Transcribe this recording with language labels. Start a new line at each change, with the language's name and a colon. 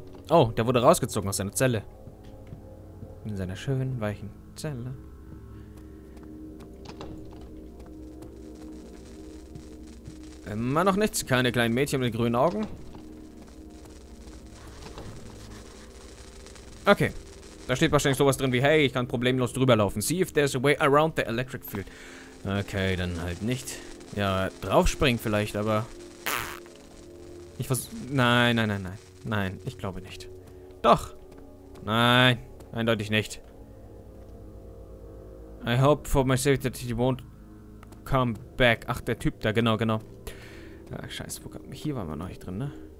German: Oh, der wurde rausgezogen aus seiner Zelle. In seiner schönen, weichen Zelle. Immer noch nichts. Keine kleinen Mädchen mit grünen Augen. Okay. Da steht wahrscheinlich sowas drin wie, hey, ich kann problemlos drüber laufen.
English: See if there's a way around the electric field.
German: Okay, dann halt nicht. Ja, draufspringen vielleicht, aber... Nein, ich glaube nicht. Doch. Nein, eindeutig nicht.
English: I hope for my safety that he won't come back.
German: Ach, der Typ da, genau. Ach, scheiße, wo kommt... Hier waren wir noch nicht drin, ne?